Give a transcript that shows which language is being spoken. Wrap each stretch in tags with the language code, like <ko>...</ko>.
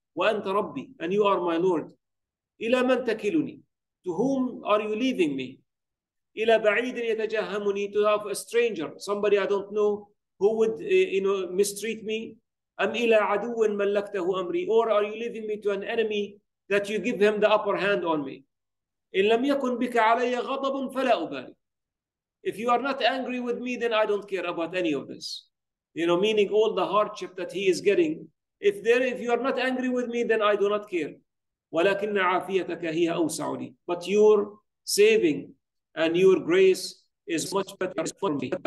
<ar>وأنت ربي.</ar> <en>And you are my Lord.</en> <ar>إلى من تكلني.</ar> <en>To whom are you leaving me?</en> <ar>إلى بعيد يتجهمني.</ar> <en>To have a stranger, somebody I don't know, who would mistreat me.</en> <ar>أم إلى عدو ملكته أمري.</ar> <en>Or are you leaving me to an enemy that you give him the upper hand on me?</en> <ar>إن لم يكن بك علي غضب فلا أبالي.</ar> <en>If you are not angry with me, then I don't care about any of this. You know, meaning all the hardship that he is getting. If you are not angry with me, then I do not care.</en> <ar>ولكن عافيتك هي أوسع لي.</ar> <en>But your saving and your grace is much better for me.</en>